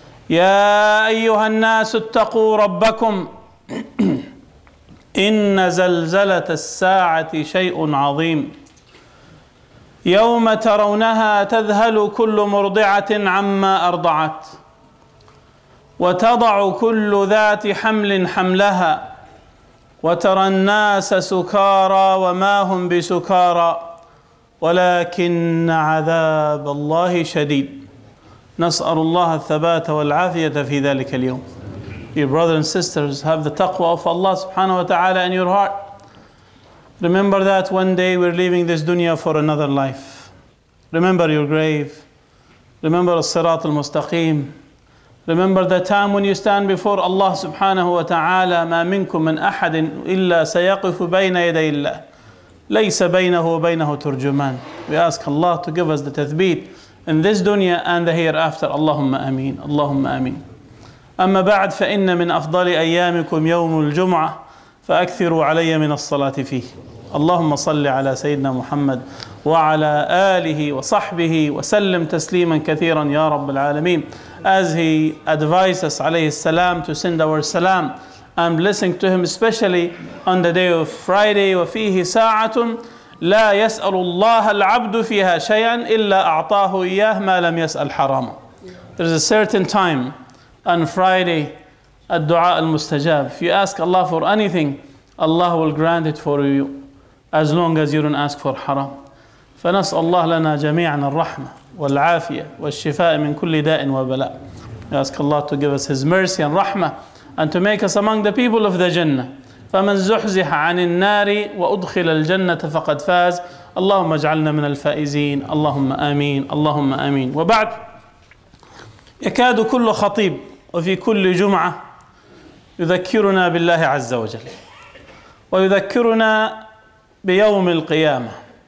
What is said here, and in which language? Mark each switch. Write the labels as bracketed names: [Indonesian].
[Arabic] يا أيها الناس اتقوا ربكم، إن زلزلة الساعة شيء عظيم، يوم ترونها تذهل كل مرضعة عما أرضعت، وتضع كل ذات حمل حملها، وترى الناس سكارى وما هم بسكارى ولكن عذاب الله شديد. نسأل الله الثبات والعافية في ذلك اليوم. [English] Your brothers and sisters, have the taqwa of Allah subhanahu wa ta'ala in your heart. Remember that one day we're leaving this dunya for another life. Remember your grave. Remember al-sirat al-mustaqim. Remember the time when you stand before Allah subhanahu wa ta'ala. [Arabic] مَا مِنْكُمْ مِنْ أَحَدٍ إِلَّا سَيَقِفُ بَيْنَ يَدَيِ اللَّهِ لَيْسَ بَيْنَهُ وَبَيْنَهُ تُرْجُمَانِ. [English] We ask Allah to give us the tathbeet in this dunya and the hereafter. [Arabic] اللهم آمين. اللهم آمين. أما بعد، فإن من أفضل أيامكم يوم الجمعة فأكثروا علي من الصلاة فيه. اللهم صل على سيدنا محمد وعلى آله وصحبه وسلم تسليما كثيرا يا رب العالمين. [English] As he advises us [Arabic] عليه السلام [English] to send our salam and blessing to him, especially on the day of Friday. [Arabic] وفيه ساعة لا يسأل الله العبد فيها شيئا إلا أعطاه إياه ما لم يسأل حراما. [English] There is a certain time on Friday, [Arabic] الدعاء المستجاب. [English] If you ask Allah for anything, Allah will grant it for you as long as you don't ask for haram. [Arabic] فنسأل الله لنا جميعا الرحمة والعافية والشفاء من كل داء وبلاء. [English] We ask Allah to give us His mercy and rahmah and to make us among the people of the Jannah. [Arabic] فمن زحزح عن النار وأدخل الجنة فقد فاز. اللهم اجعلنا من الفائزين. اللهم آمين. اللهم آمين. وبعد، يكاد كل خطيب وفي كل جمعة يذكرنا بالله عز وجل ويذكرنا بيوم القيامة.